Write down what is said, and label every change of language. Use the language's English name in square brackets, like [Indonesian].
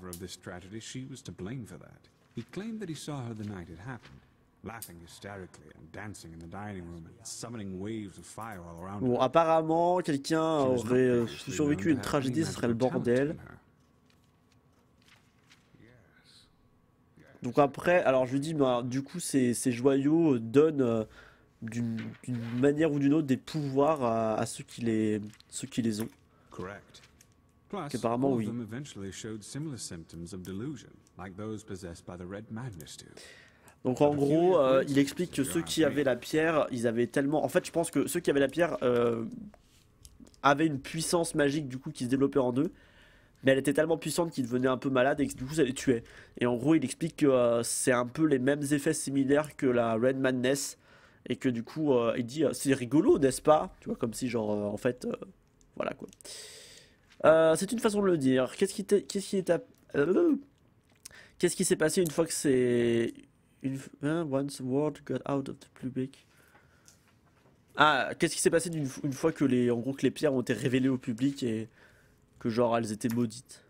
[English] Strategy, he claimed that he saw her the night it happened, laughing hysterically and dancing in the dining room and summoning waves of fire all around. [French] Bon, apparemment, quelqu'un aurait survécu une tragédie, ce serait le bordel. Donc après, alors je lui dis, bah, du coup, ces joyaux donnent d'une manière ou d'une autre des pouvoirs à ceux qui les ont. Correct. Plus, apparemment, oui. [English] Eventually showed similar symptoms of delusion, like those possessed by the Red Madness do. [French] Donc en gros, il explique que ceux qui avaient la pierre, ils avaient tellement. En fait, je pense que ceux qui avaient la pierre avaient une puissance magique du coup qui se développait en eux, mais elle était tellement puissante qu'ils devenaient un peu malades et que, du coup ça les tuait. Et en gros, il explique que c'est un peu les mêmes effets similaires que la Red Madness et que du coup, il dit c'est rigolo, n'est-ce pas? Tu vois, comme si genre en fait. Voilà quoi. C'est une façon de le dire. Qu'est-ce qui s'est passé une fois que c'est. [English] Once the world got out of the blue book. [French] Ah, qu'est-ce qui s'est passé une fois que les. En gros, que les pierres ont été révélées au public et que genre elles étaient maudites.